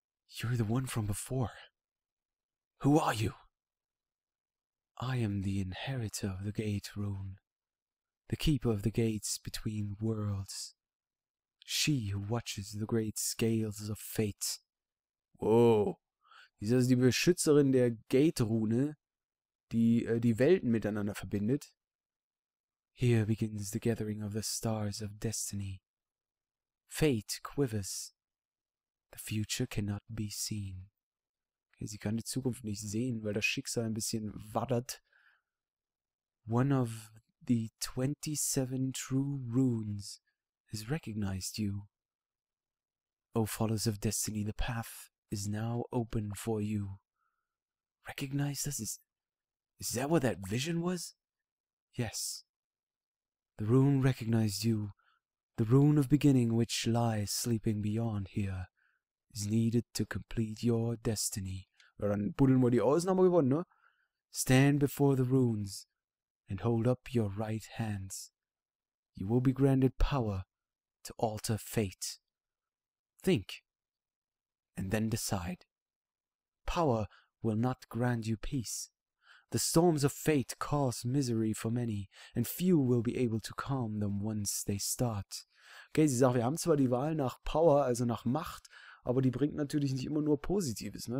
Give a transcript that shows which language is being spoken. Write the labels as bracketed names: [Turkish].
[English] You're the one from before. Who are you? I am the inheritor of the gate rune, the keeper of the gates between worlds, she who watches the great scales of fate. [German] Whoa, ist das die Beschützerin der Gate Rune, die die Welten miteinander verbindet? [English] Here begins the gathering of the stars of destiny. Fate quivers. The future cannot be seen. [German] Okay, sie kann die Zukunft nicht sehen, weil das Schicksal ein bisschen waddert. [English] One of the 27 true runes has recognized you. O followers of destiny, the path is now open for you. Recognize this? Is that what that vision was? Yes. The rune recognized you. The rune of beginning, which lies sleeping beyond here, is needed to complete your destiny. [German] Ja, dann buddeln wir die Ausnahme gewonnen, ne? [English] Stand before the runes and hold up your right hands. You will be granted power to alter fate. Think and then decide. Power will not grant you peace. The storms of fate cause misery for many, and few will be able to calm them once they start. [German] Okay, sie sagt, wir haben zwar die Wahl nach Power, also nach Macht, aber die bringt natürlich nicht immer nur Positives, ne?